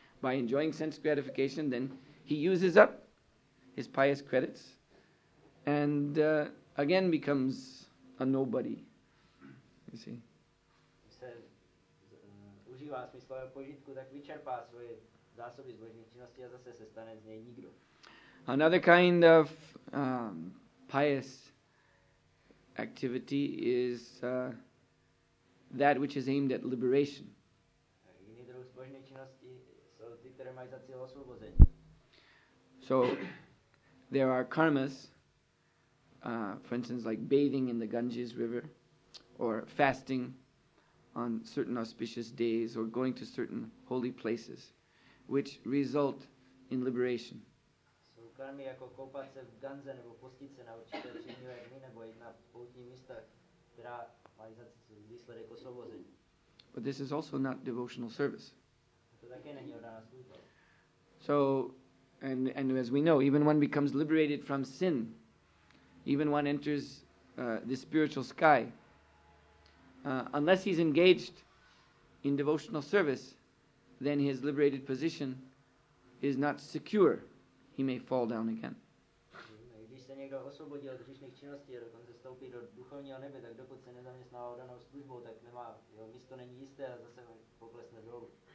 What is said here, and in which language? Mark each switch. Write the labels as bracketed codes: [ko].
[en] By enjoying sense gratification, then he uses up his pious credits and again becomes a nobody. You see. [cs] Když se užívá smyslového požitku, tak vyčerpá svoje zásoby zbožných činností a zase se stane z něj nikdo. [en] Another kind of pious activity is that which is aimed at liberation. [cs] Jiný druh zbožné činnosti jsou ty, které mají za cíl osvobození. [en] So there are karmas, for instance, like bathing in the Ganges River, or fasting on certain auspicious days, or going to certain holy places, which result in liberation. [cs] Karmy jako koupat se v Ganze nebo postit se na určité příměvé dny nebo jít na poutní místa, která mají za výsledek osvobození. [en] But this is also not devotional service. [cs] To také není oddaná služba. [en] So, and as we know, even one becomes liberated from sin, even one enters the spiritual sky, unless he's engaged in devotional service, then his liberated position is not secure. He may fall down again. [cs] Když se někdo osvobodí od hříšných činností a dokonce stoupí do duchovního nebe, tak dokud se nezaměstná oddanou službou, tak nemá, jeho místo není jisté a zase poklesne dolů.